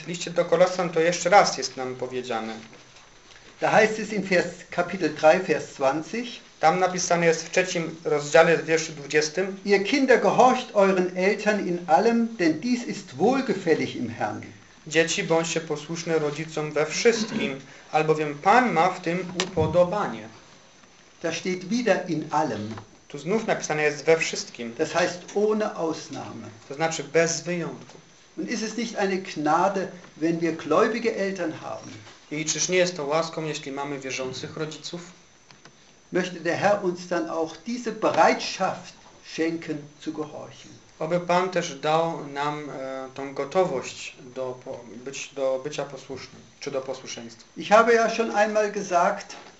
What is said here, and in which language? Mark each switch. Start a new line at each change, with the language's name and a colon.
Polish: W liście do Kolosan to jeszcze raz jest nam powiedziane.
German: Da heißt es in Vers, Kapitel 3, Vers 20.
Polish: Tam napisane jest w trzecim rozdziale, w wierszu 20.
German: Ihr Kinder, gehorcht euren Eltern in allem, denn dies ist wohlgefällig im Herrn.
Polish: Dzieci, bądźcie posłuszne rodzicom we wszystkim, albowiem Pan ma w tym upodobanie.
German: Da steht wieder in allem.
Polish: Tu znów napisane jest we wszystkim.
German: Das heißt ohne Ausnahme.
Polish: To znaczy bez wyjątku.
German: Und ist es nicht eine Gnade, wenn wir gläubige Eltern haben?
Polish: I czyż nie jest to łaską, jeśli mamy wierzących rodziców?
German: Möchte der Herr uns dann auch diese Bereitschaft schenken, zu gehorchen.
Polish: Oby Pan też dał nam tą gotowość do bycia posłusznym, czy do posłuszeństwa.
German: Ich habe ja schon einmal gesagt,